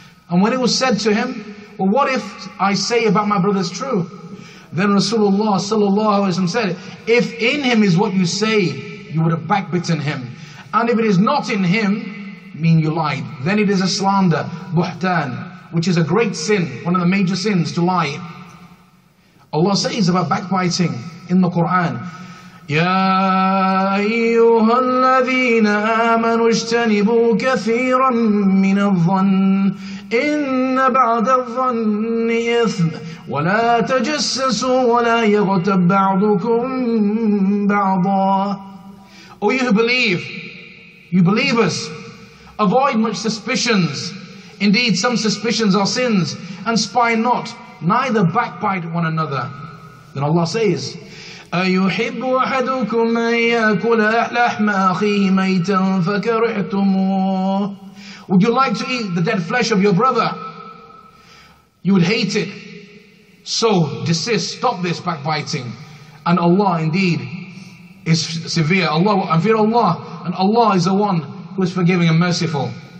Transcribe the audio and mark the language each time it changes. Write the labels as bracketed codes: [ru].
[en] And when it was said to him, well, what if I say about my brother's true? Then Rasulullah sallallahu alayhi wa sallam said, if in him is what you say, you would have backbitten him. And if it is not in him, mean you lied. Then it is a slander, buhtan, which is a great sin, one of the major sins, to lie. Allah says about backbiting in the Quran, [ar] يَا أَيُّهَا الَّذِينَ آمَنُوا اجْتَنِبُوا كَثِيرًا مِّنَ الظَّنِّ إِنَّ بَعْدَ الظَّنِّ إِثْمٌ وَلَا تَجَسَّسُوا وَلَا يَغْتَبْ بَعْضُكُمْ بَعْضًا. [en] O you who believe, you believers, avoid much suspicions. Indeed, some suspicions are sins, and spy not, neither backbite one another. Then Allah says, [ar] أَيُحِبُّ أَحَدُكُمْ أَن يَأْكُلَ لَحْمَ أَخِيهِ مَيْتًا فَكَرِهْتُمُوهُ. [en] Would you like to eat the dead flesh of your brother? You would hate it. So desist, stop this backbiting. And Allah indeed is severe. Allah, and fear Allah. And Allah is the one who is forgiving and merciful.